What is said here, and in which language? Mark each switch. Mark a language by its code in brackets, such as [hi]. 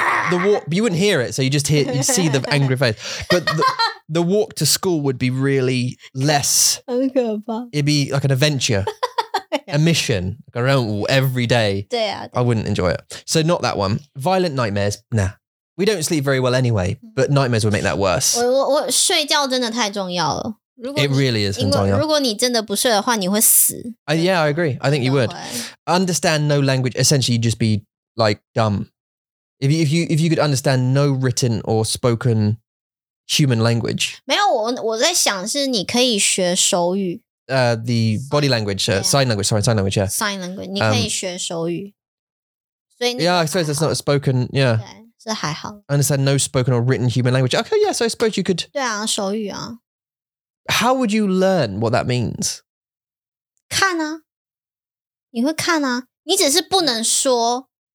[en] The walk, you wouldn't hear it. So you just hear, you see the angry face. But the walk to school would be really less... It'd be like an adventure. A mission around every day. I wouldn't enjoy it. So not that one. Violent nightmares. Nah. We don't sleep very well anyway, but nightmares would make that worse. [zh] 我睡觉真的太重要了。 [en] It really is [zh] 很重要。如果你真的不睡的话,你会死。 [en] Yeah, I agree. I think you would. Understand no language. Essentially, you'd just be like dumb. If you could understand no written or spoken human language. [zh] 没有,我在想是你可以学手语。 [en] The body language, yeah. Sign language, sorry, sign language, yeah. Sign language, you can. Yeah, I suppose it's not a spoken, yeah. Okay, I understand no spoken or written human language. Okay, yeah, so I suppose you could. [zh] 对啊,手语啊. [en] How would you learn what that means? [zh] 看啊.你会看啊.你只是不能说.